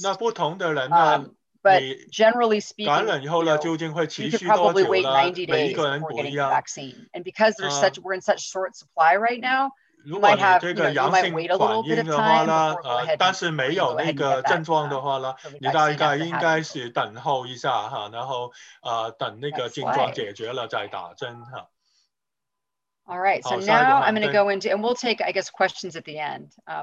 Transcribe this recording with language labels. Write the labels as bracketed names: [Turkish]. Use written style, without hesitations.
[Chinese] 那不同的人呢？ [English] But generally speaking, [Chinese] 感染以后呢, 究竟会持续多久呢? [English] You could probably wait 90 days before getting the vaccine. And because there's such, we're in such short supply right now, you might have, you know, you might wait a little bit of time before go ahead and, you know, go ahead and get that COVID vaccine after having. [Chinese] 你大概应该是等候一下, 然后, 等那个症状解决了再打针。 [English] All right, so now I'm going to go into, and we'll take, I guess, questions at the end.